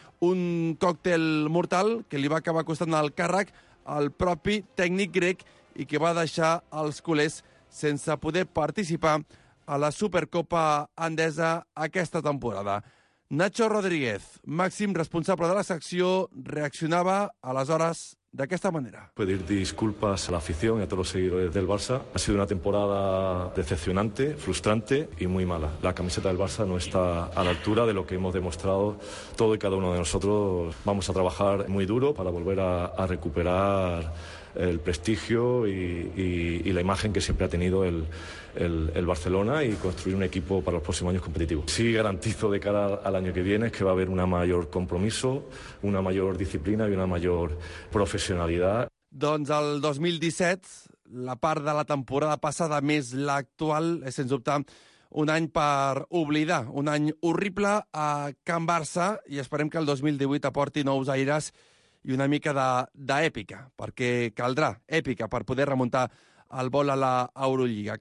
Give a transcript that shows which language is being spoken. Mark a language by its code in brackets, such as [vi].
[ca] Un còctel mortal que li va acabar costant el càrrec al propi tècnic grec i que va deixar els culers sense poder participar a la Supercopa Endesa aquesta temporada. Nacho Rodríguez, màxim responsable de la secció, reaccionava aleshores d'aquesta manera. [es] Pedir disculpas a la afición y a todos los seguidores del Barça. Ha sido una temporada decepcionante, frustrante y muy mala. La camiseta del Barça no está a la altura de lo que hemos demostrado todo y cada uno de nosotros. Vamos a trabajar muy duro para volver a recuperar el prestigio y la imagen que siempre ha tenido el Barcelona y construir un equipo para los próximos años competitivo. Sí garantizo de cara al año que viene que va a haber un mayor compromiso, una mayor disciplina y una mayor profesionalidad. [ca] Doncs el 2017, la part de la temporada passada més l'actual, és sens dubte un any per oblidar, un any horrible a Can Barça, i esperem que el 2018 aporti nous aires i una mica d'èpica, perquè caldrà èpica per poder remuntar el vol a la Eurolliga.